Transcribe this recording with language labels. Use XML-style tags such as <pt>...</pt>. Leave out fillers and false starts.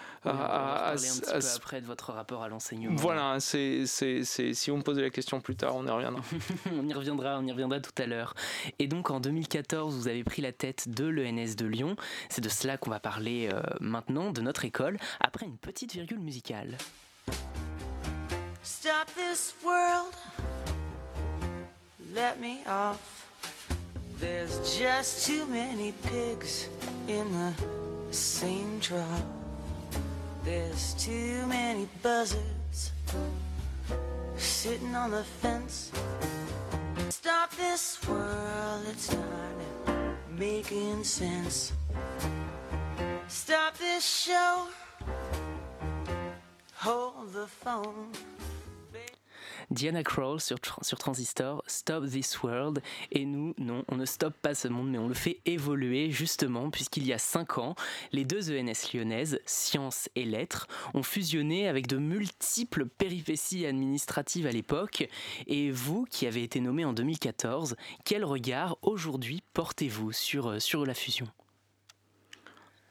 <fr>On va parler un petit peu après de votre rapport à l'enseignement. Voilà, c'est si on me posait la question plus tard, on y reviendra. on y reviendra tout à l'heure. Et donc en 2014, vous avez pris la tête de l'ENS de Lyon. C'est de cela qu'on va parler maintenant, de notre école, après une petite virgule musicale.</fr> <en>Stop this world, let me off. There's just too many pigs in the same trough. There's too many buzzards sitting on the fence. Stop this world, it's not making sense. Stop this show, hold the phone.</en> <fr>Diana Krall sur Transistor, Stop This World. Et nous, non, on ne stoppe pas ce monde, mais on le fait évoluer, justement, puisqu'il y a 5 ans, les deux ENS lyonnaises, Sciences et Lettres, ont fusionné avec de multiples péripéties administratives à l'époque. Et vous, qui avez été nommé en 2014, quel regard, aujourd'hui, portez-vous sur la fusion ?</fr>